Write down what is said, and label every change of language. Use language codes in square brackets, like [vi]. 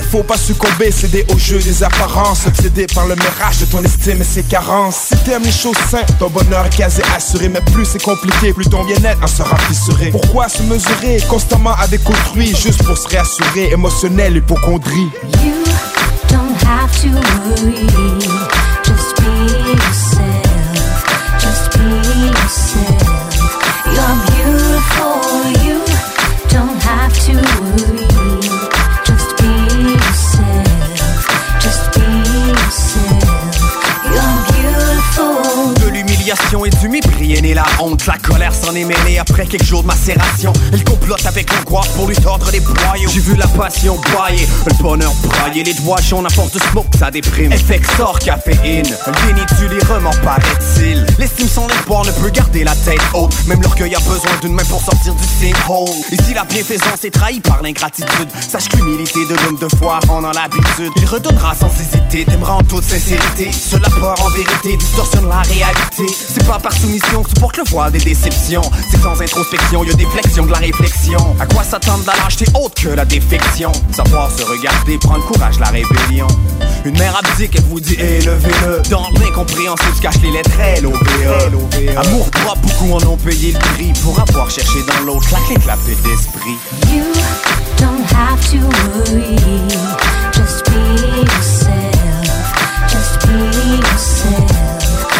[fr] Faut pas succomber, céder au jeu des apparences. Obsédé par le mirage de ton estime et ses carences. Si t'aimes les choses saines, ton bonheur est quasi assuré. Mais plus c'est compliqué, plus ton bien-être en sera fissuré. Pourquoi se mesurer constamment avec autrui, juste pour se réassurer, émotionnel, hypocondrie. [en] You don't have to worry, just be yourself, just be yourself. You're beautiful, you don't have to worry, just be yourself, just be yourself. You're beautiful. [fr] De l'humiliation et du mépris est née la honte. La colère s'en est mêlée après quelques jours de macération. Elle complote avec l'angoisse pour lui tordre des boyaux. J'ai vu la passion broyer, le bonheur broyer. Les doigts jaunes à force de smoke, ça déprime. Effet sort caféine, béni tu les remords paraît-il. L'estime sans espoir ne peut garder la tête haute. Même l'orgueil a besoin d'une main pour sortir du sinkhole. Et si la bienfaisance est trahie par l'ingratitude, sache qu'humilité de l'homme de foi en a l'habitude. Il redonnera sans hésiter, t'aimera en toute sincérité. Seul la peur en vérité distorsionne la réalité. C'est pas par soumission que tu portes le voile des déceptions. C'est sans introspection, y'a des flexions de la réflexion. À quoi s'attendre la lâcheté autre que la défection? Savoir se regarder, prendre courage, la rébellion. Une mère abdique, elle vous dit élevez-le. Dans l'incompréhension, tu caches les lettres L-O-V-E. Amour propre, beaucoup en ont payé le prix. Pour avoir cherché dans l'autre la clé de la paix d'esprit. [en] You don't have to worry, just be yourself, just be yourself.